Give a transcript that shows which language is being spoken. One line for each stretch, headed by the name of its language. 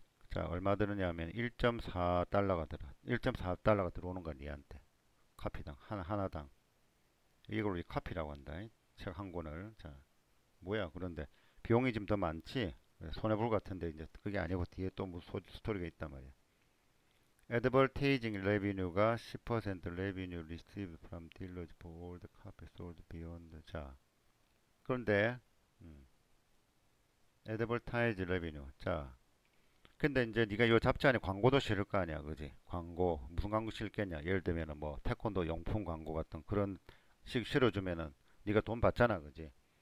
Korean: 자, 얼마 들었냐 하면 1.4달러가 들어. 1.4달러가 들어오는 거야, 니한테. 카피당 하나당. 이걸 카피라고 한다. 책한 권을. 자, 뭐야? 그런데 비용이 좀더 많지? 손해볼 것 같은데 이제 그게 아니고 뒤에 또 무슨 스토리가 있단 말이야.
English: Advertising revenue가 10% revenue received from dealers for all the copies sold beyond.
Korean: 자, 그런데 Advertise revenue. 자, 근데 이제 네가 요 잡지 안에 광고도 실을 거 아니야, 그지? 광고 무슨 광고 실겠냐? 예를 들면은 뭐 태권도 용품 광고 같은 그런 식 실어주면은 네가 돈 받잖아, 그지?